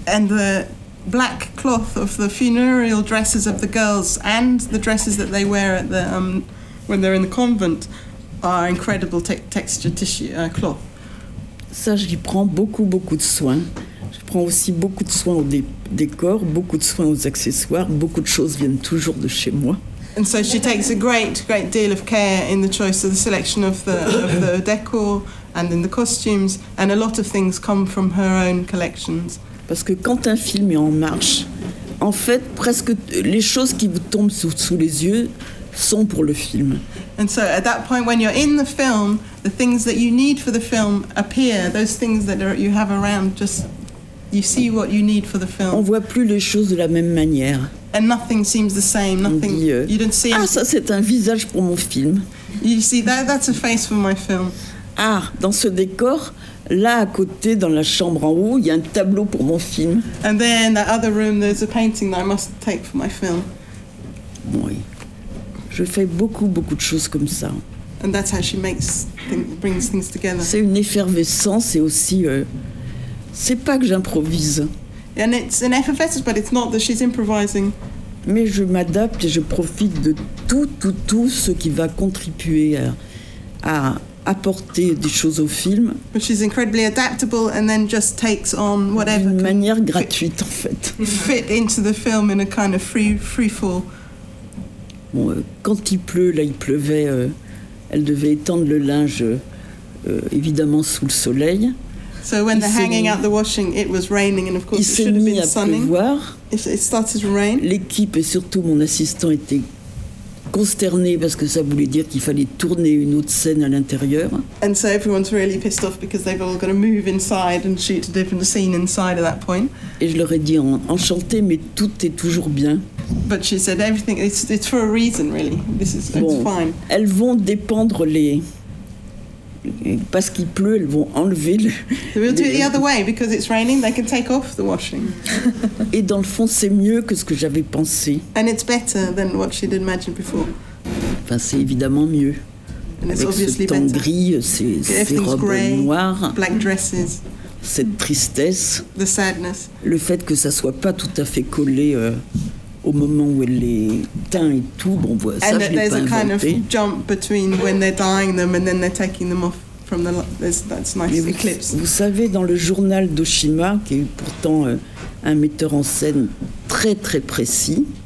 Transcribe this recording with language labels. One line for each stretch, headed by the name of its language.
English: And the black cloth of the funereal dresses of the girls and the dresses that they wear at the when they're in the convent are incredible texture tissue cloth.
French: Ça, j'y prends beaucoup beaucoup de soin. Je prends aussi beaucoup de soin au décor, beaucoup de soin aux accessoires. Beaucoup de choses viennent toujours de chez moi.
English: And so she takes a great, great deal of care in the choice of the selection of the decor and in the costumes, and a lot of things come from her own collections.
French: Parce que quand un film est en marche, en fait, presque les choses qui vous tombent sous les yeux sont pour le film.
English: And so at that point, when you're in the film, the things that you need for the film appear, those things that are, you have around, just you see what you need for the film.
French: On voit plus les choses de la même manière.
English: And nothing seems the same. Nothing.
French: On dit,
English: you don't see.
French: Ah, ça c'est un visage pour mon film.
English: You see that? That's a face for my film.
French: Ah, dans ce décor, là à côté, dans la chambre en haut, il y a un tableau pour mon film.
English: And then in that other room, there's a painting that I must take for my film.
French: Oui. Je fais beaucoup beaucoup de choses comme ça.
English: And that's how she makes brings things together.
French: C'est une effervescence et aussi, c'est pas que j'improvise.
English: And it's an effervescence, but it's not that she's improvising.
French: Mais je m'adapte et je profite de tout ce qui va contribuer à apporter des choses au film.
English: But she's incredibly adaptable and then just takes on whatever.
French: D'une manière gratuite, en fait.
English: Fit into the film in a kind of free fall.
French: Bon, quand il pleut, là, il pleuvait. Elle devait étendre le linge, évidemment, sous le soleil.
English: So when they're hanging out the washing, it was raining, and of course it should have been sunny. It started to rain.
French: L'équipe et surtout mon assistant étaient consternés parce que ça voulait dire qu'il fallait tourner une autre scène à l'intérieur.
English: And so everyone's really pissed off because they've all got to move inside and shoot a different scene inside at that point.
French: Et je leur ai dit enchanté, mais tout est toujours bien.
English: But she said everything. It's for a reason, really. This is
French: bon,
English: it's fine.
French: Elles vont dépendre les. Parce qu'il pleut, elles vont enlever le.
English: They will do it the other way because it's raining. They can take off the washing.
French: Et dans le fond, c'est mieux que ce que j'avais pensé.
English: And it's better than what she'd imagined before.
French: Enfin, c'est évidemment mieux.
English: And it's
French: avec
English: obviously
French: ce temps
English: better.
French: Gris, ces robes
English: gray,
French: noires.
English: Black dresses.
French: Cette tristesse.
English: The sadness.
French: Le fait que ça soit pas tout à fait collé. Au moment où elle est teint et tout, bon, voilà, ça, je l'ai pas inventé.
English: And there's a kind of jump between when they're dyeing them and then they're taking them off from the. That's nice
French: mais eclipse. Vous savez, dans le journal d'Oshima, qui est pourtant un metteur en scène très très précis.